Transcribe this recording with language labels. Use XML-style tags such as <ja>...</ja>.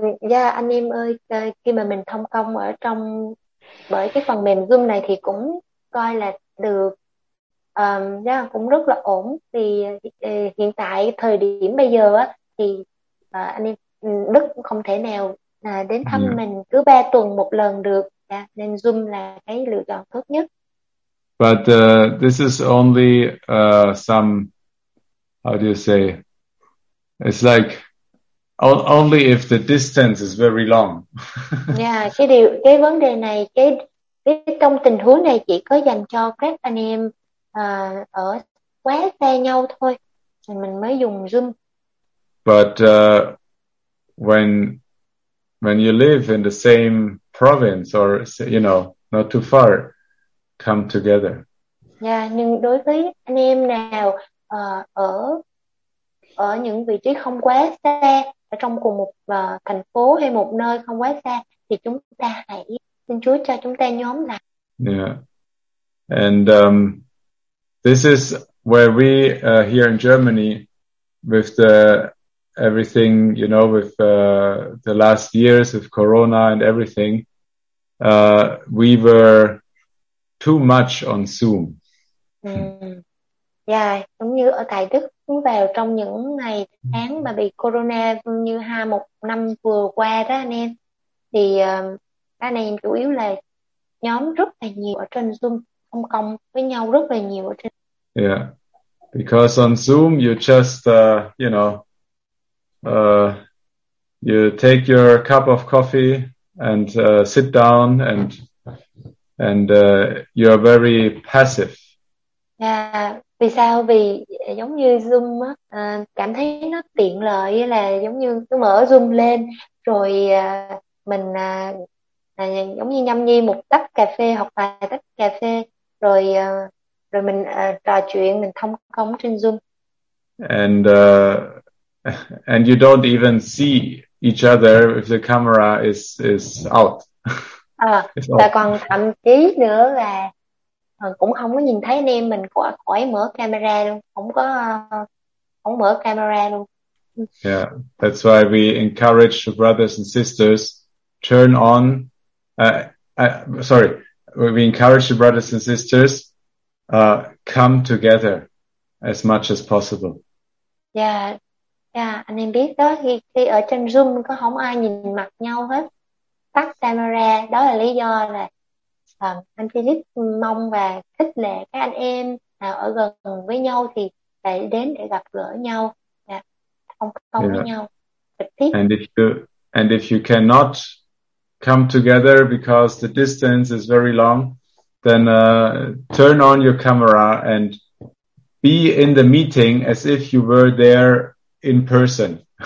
<vi>yeah, anh em ơi, khi mà mình thông công ở trong bởi cái phần mềm Zoom này thì cũng coi là được yeah, cũng rất là ổn vì hiện tại thời điểm bây giờ á thì anh em Đức không thể nào đến thăm yeah. mình cứ 3 tuần một lần được, yeah, nên Zoom là cái lựa chọn tốt nhất.</vi> <en>But this is only how do you say? It's like only if the distance is very long.</en> <vi>Yeah, cái vấn đề này, cái trong tình huống này chỉ có dành cho các anh em ở quá xa nhau thôi, mình mới dùng Zoom.</vi> <en>But when you live in the same province or you know not too far, come together.</en> <vi>Yeah, nhưng đối với anh em nào ở những vị trí không quá xa, ở trong cùng một thành phố hay một nơi không quá xa, thì chúng ta hãy xin Chúa cho chúng ta nhóm lại. Yeah.</vi> <en>And this is where we here in Germany with the everything, you know, with the last years of Corona and everything, we were too much on Zoom.</en> <vi>Yeah, giống như ở tại Đức vào trong những ngày tháng mà bị Corona như hai một năm vừa qua đó anh em, thì anh em chủ yếu là nhóm rất là nhiều ở trên Zoom, thông công với nhau rất là nhiều ở trên.</vi> <en>Yeah, because on Zoom you just you know you take your cup of coffee and sit down and you are very passive.</en> <vi>Yeah. Vì sao? Vì giống như Zoom á, cảm thấy nó tiện lợi là giống như cứ mở Zoom lên rồi mình giống như nhâm nhi một tách cà phê hoặc vài tách cà phê rồi rồi mình trò chuyện, mình thông công trên Zoom.</vi> <en>And you don't even see each other if the camera is out.</en> <vi>Và còn thậm chí nữa là cũng không có nhìn thấy anh em mình khỏi mở camera luôn, không mở camera luôn.</vi> <en>Yeah, that's why we encourage the brothers and sisters turn on. We encourage the brothers and sisters come together as much as possible.</en> <vi>Yeah, yeah, anh em biết đó, khi ở trên Zoom có không ai nhìn mặt nhau hết, tắt camera, đó là lý do là anh Philip mong và thích lệ các anh em nào ở gần với nhau thì phải đến để gặp gỡ nhau, thông công với nhau trực tiếp.</vi> <en>And if you cannot come together because the distance is very long, then turn on your camera and be in the meeting as if you were there in person.</en>